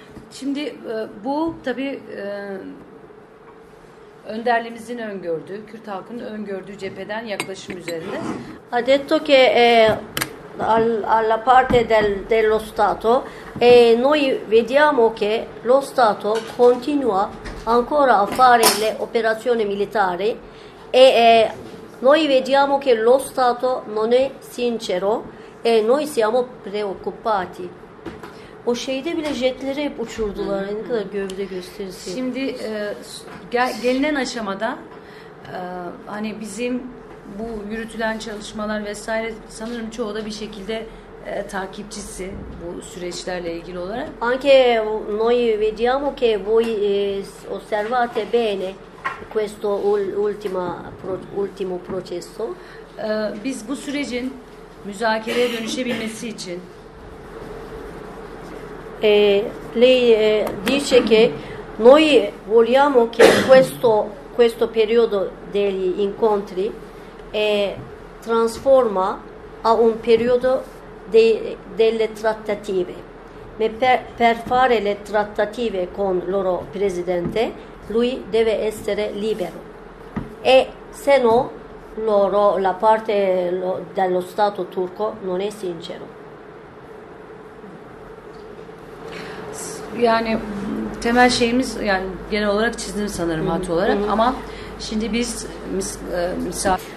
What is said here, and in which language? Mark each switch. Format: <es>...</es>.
<tr>Şimdi bu tabi önderliğimizin öngördüğü, Kürt halkının öngördüğü cepheden yaklaşım üzerinde.</tr> <it>Ha detto che alla parte dello Stato e noi vediamo che lo Stato continua ancora a fare le operazioni militari e noi vediamo che lo Stato non è sincero e noi siamo preoccupati.</it> <tr>O şeyde bile jetleri hep uçurdular. Ne kadar gövde gösterisi. Şimdi gelinen aşamada hani bizim bu yürütülen çalışmalar vesaire sanırım çoğu da bir şekilde takipçisi bu süreçlerle ilgili olarak.</tr> <it>Anche noi vediamo che voi osservate bene questo ultimo processo.</it> <tr>Biz bu sürecin müzakereye dönüşebilmesi için</tr> <it>lei dice che noi vogliamo che questo periodo degli incontri trasforma a un periodo delle trattative. Ma per fare le trattative con il loro presidente, lui deve essere libero. E se no, loro, la parte dello Stato turco non è sincero.</it> <tr>Yani temel şeyimiz yani genel olarak çizdim sanırım hat olarak ama şimdi biz misal</tr>